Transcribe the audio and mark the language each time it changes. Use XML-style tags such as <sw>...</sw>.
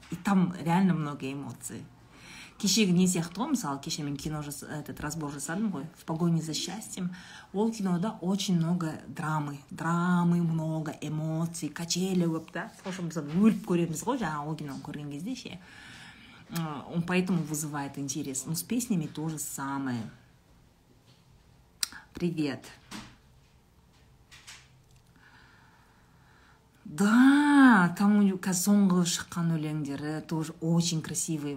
<ru>И там реально много эмоций.</ru> <kk>Кешегі не сияқты ғой, мысалы, кеше мен кино</kk> <ru>этот разбор</ru> <kk>жасадым ғой.</kk> <ru>В погоне за счастьем.</ru> <kk>Ол кинода</kk> <ru>очень много драмы. Драмы, много эмоций,</ru> <kk>качели көп та. Сонша мысалы өліп көреміз ғой, жаңа ол киноны көрген кезде ше.</kk> <ru>Он поэтому вызывает интерес. Но с песнями то же самое. Привет. Да, там у Казонга</ru> <kk>шыққан өлеңдері</kk> <ru>тоже очень красивый.</ru>